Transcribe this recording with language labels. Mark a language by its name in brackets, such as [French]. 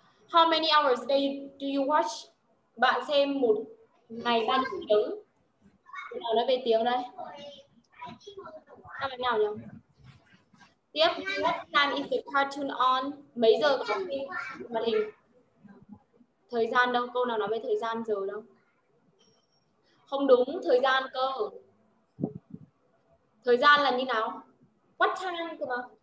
[English] How many hours a day do you watch? [Vietnamese] Bạn xem một ngày bao nhiêu tiếng? Cái nào nói về tiếng đây? Các bạn nào nhỉ? [English] Tiếp, what time is the cartoon on? [Vietnamese] Mấy giờ có màn hình? Thời gian đâu? Câu nào nói về thời gian giờ đâu? Không đúng, thời gian cơ. Thời gian là như nào? [English] What time [Vietnamese] cơ mà?